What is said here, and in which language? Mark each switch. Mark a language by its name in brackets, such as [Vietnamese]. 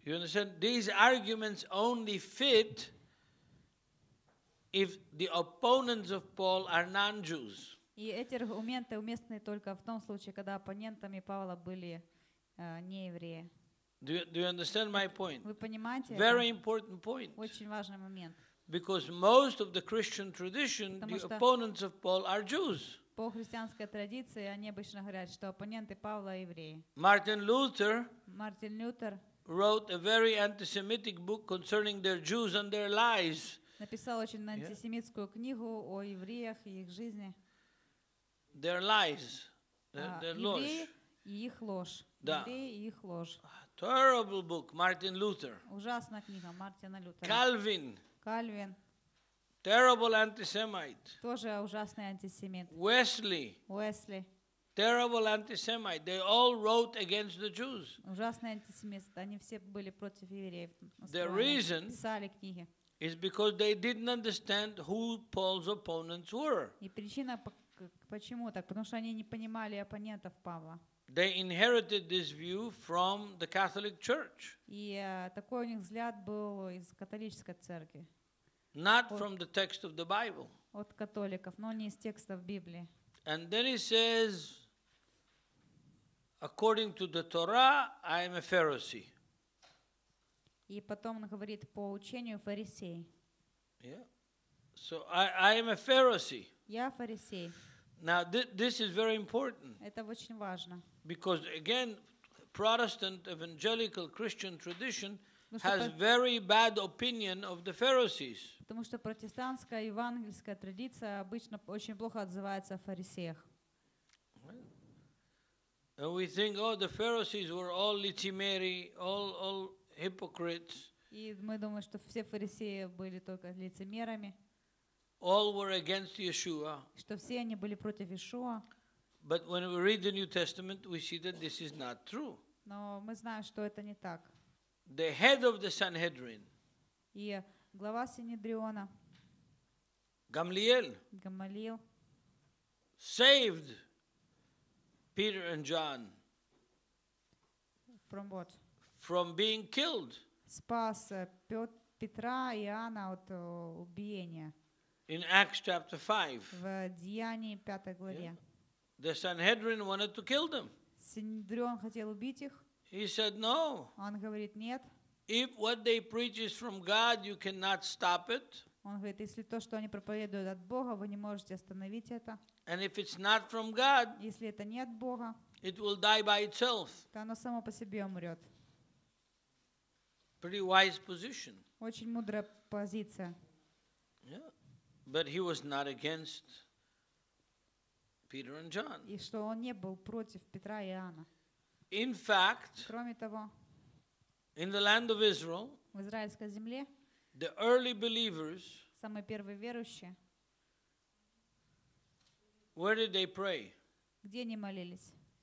[English] You understand? These arguments only fit if the opponents of Paul are non-Jews. [Russian] И эти аргументы уместны только в том случае, когда оппонентами Павла были не евреи. [English] Do you understand my point? [Russian] Вы понимаете? [English] Very important point. [Russian] Очень важный момент. [English] Because most of the Christian tradition, the opponents of Paul are Jews. [Russian] По христианской традиции они обычно говорят, что оппоненты Павла евреи. [English] Мартин Лютер wrote a very anti-Semitic book concerning their Jews and their lies. [Russian] Написал очень антисемитскую книгу о евреях и их жизни. [English] Their lies, their [Russian] ложь. Евреи и их ложь. Да. Евреи и их ложь. [English] Terrible book, Martin Luther. [Russian] Ужасная книга Мартина Лютера. [English] Calvin. Terrible anti-Semite. [Russian] Тоже ужасный антисемит. [English] Wesley. Terrible anti-Semite. They all wrote against the Jews. [Russian] Ужасный антисемит. Они все были против евреев. [English] The reason [Russian] писали книги. [English] Is because they didn't understand who Paul's opponents were. [Russian] И причина почему так? Потому что они не понимали оппонентов Павла. [English] They inherited this view from the Catholic Church. [Ukrainian] І такий у них взгляд був із католицької церкви. [English] Not from the text of the Bible. [Ukrainian] От католиків, но не із текста в Біблії. [English] And then he says, according to the Torah, I am a Pharisee. [Ukrainian] І потім він говорить по ученню фарисей. [English] Yeah. So I am a Pharisee. [Ukrainian] Я фарисей. [English] Now this is very important. [Ukrainian] Це дуже важливо. [English] Because again, Protestant evangelical Christian tradition has very bad opinion of the Pharisees. [Ukrainian] Тому що протестантська євангельська традиція [Russian] обычно очень плохо отзывается о фарисеях. [English] And we think, oh, the Pharisees were all litimeri, all hypocrites. [Ukrainian] І ми думаємо, що всі фарисеї були тільки лицемерами. [English] All were against Yeshua. [Ukrainian] Що всі вони були проти Ішуа. [English] But when we read the New Testament, we see that this is not true. [Ukrainian] Но ми знаємо, що це не так. [English] The head of the Sanhedrin. [Ukrainian] І глава Синедріона. [English] Гамаліел. Saved Peter and John. From what? From being killed. [Ukrainian] Спас Петра і Іоанна від убиения. [English] In Acts chapter 5. [Russian] В Деянии 5 главе. [English] The Sanhedrin wanted to kill them. [Russian] Синедрион хотел убить их. [English] He said no. [Russian] Он говорит нет. [English] If what they preach is from God, you cannot stop it. [Russian] Он говорит, если то, что они проповедуют от Бога, вы не можете остановить это. [English] And if it's not from God, [Russian] если это не от Бога, [English] it will die by itself. [Russian] То оно само по себе умрет. [English] Pretty wise position. [Russian] Очень мудрая позиция. [English] Yeah. But he was not against Peter and John. [Russian] И что он не был против Петра и Иоанна. [English] In fact, [Russian] кроме того, [English] in the land of Israel, [Russian] в израильской земле, [English] the early believers, [Russian] самые первые верующие, [English] where did they pray? [Russian] Где они молились?